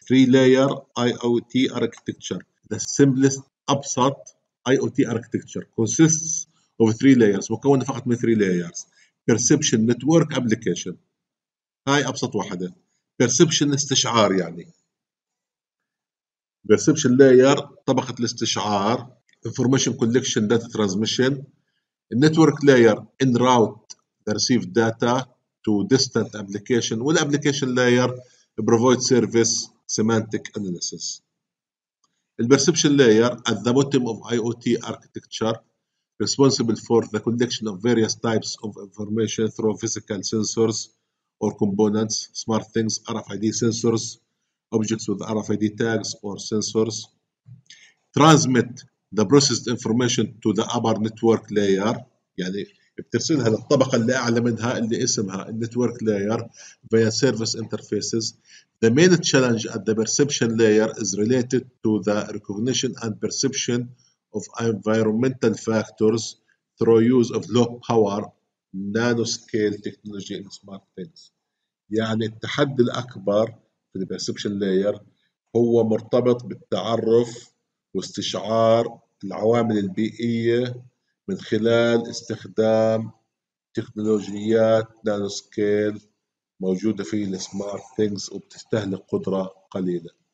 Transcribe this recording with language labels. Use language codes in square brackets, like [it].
[en] 3 layer IoT architecture. The simplest ابسط IoT architecture consists of 3 layers، [ar] مكون فقط من 3 [en] layers. Perception network application. [ar] هاي ابسط واحده. Perception استشعار يعني. [en] Perception layer [ar] طبقة الاستشعار. [en] Information collection data transmission. Network layer en route the received data to distant application. والapplication layer provide service semantic analysis. Perception layer at the bottom of IoT architecture responsible for the collection of various types of information through physical sensors or components, smart things, RFID sensors, objects with RFID tags or sensors. Transmit the processed information to the upper network layer. [ar] يعني بترسلها للطبقة اللي أعلى منها اللي اسمها [en] network layer via service interfaces. The main challenge at the perception layer is related to the recognition and perception of environmental factors through use of low power nanoscale technology in smart things. [ar] يعني التحدي الأكبر في الـ perception layer هو مرتبط بالتعرف واستشعار العوامل البيئية من خلال استخدام تكنولوجيات نانو سكيل موجودة في الـ smart things وبتستهلك قدرة قليلة.